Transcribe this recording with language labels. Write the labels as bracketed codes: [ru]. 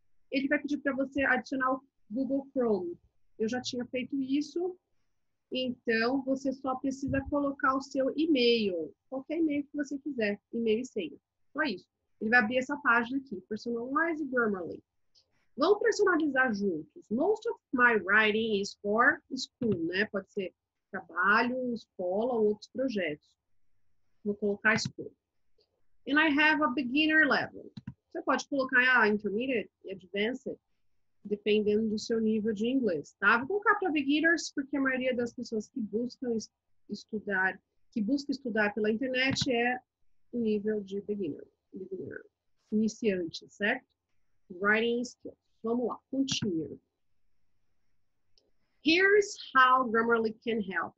[pt] Ele vai pedir para você adicionar o Google Chrome. Eu já tinha feito isso, então você só precisa colocar o seu e-mail, qualquer e-mail que você quiser, e-mail e senha. Só isso. Ele vai abrir essa página aqui, Personalize Grammarly. Vamos personalizar juntos. [en] Most of my writing is for school, [pt] né? Pode ser trabalho, escola ou outros projetos. Vou colocar school. [en] And I have a beginner level. [pt] Você pode colocar intermediate e advanced. Dependendo do seu nível de inglês, tá? Vou colocar para beginners, porque a maioria das pessoas que buscam estudar, que busca estudar pela internet é o nível de beginner, iniciante, certo? [en] Writing skills. [pt] Vamos lá, continue. [en] Here's how Grammarly can help.